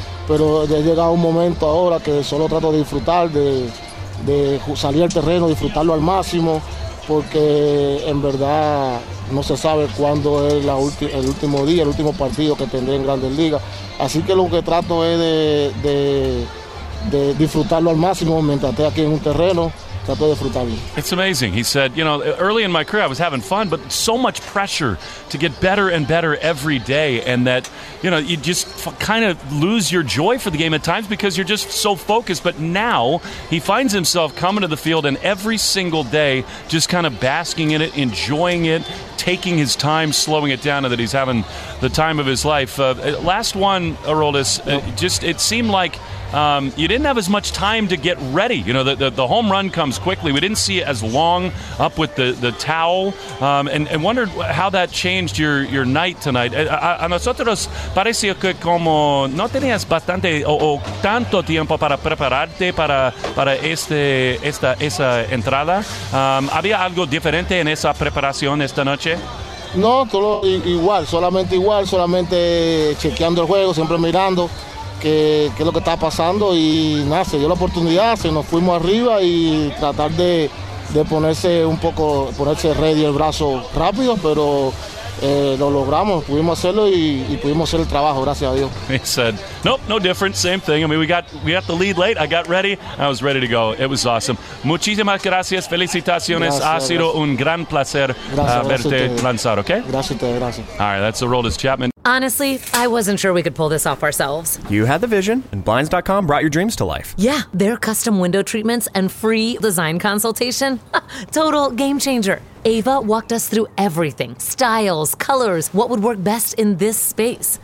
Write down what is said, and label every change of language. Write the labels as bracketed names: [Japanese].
[Spanish] Pero he llegado a un momento ahora que solo trato de disfrutar, de salir al terreno, disfrutarlo al máximo, porque en verdad no se sabe cuándo es el último día, el último partido que tendré en Grandes Ligas. Así que lo que trato es de disfrutarlo al máximo mientras esté aquí en un terreno. [English] It's amazing. He said, you know, early in my career I was having fun, but so much pressure to get better and better every day, and that, you know, you just kind of lose your joy for the game at times because you're just so focused. But now he finds himself coming to the field and every single day just kind of basking in it, enjoying it, taking his time, slowing it down, and that he's having the time of his life. Last one, Aroldis, just it seemed like – You didn't have as much time to get ready. You know, the home run comes quickly. We didn't see it as long up with the towel. And wondered how that changed your night tonight. [Spanish] A nosotros pareció que como no tenías bastante o tanto tiempo para prepararte para esa entrada. ¿Había algo diferente en esa preparación esta noche? No, todo igual, solamente chequeando el juego, siempre mirando qué es lo que estaba pasando y nada, se dio la oportunidad, se nos fuimos arriba y tratar de ponerse un poco, ponerse ready el brazo rápido, pero lo logramos, pudimos hacerlo y pudimos hacer el trabajo, gracias a Dios. [English] He said, nope, no difference, same thing. I mean, we got the lead late, I got ready, I was ready to go. It was awesome. [Spanish] Muchísimas gracias, felicitaciones. Gracias, ha sido un gran placer verte lanzar, ¿ok? Gracias. [English] All right, that's Aroldis Chapman. Honestly, I wasn't sure we could pull this off ourselves. You had the vision, and Blinds.com brought your dreams to life. Yeah, their custom window treatments and free design consultation. Total game changer. Ava walked us through everything. Styles, colors, what would work best in this space.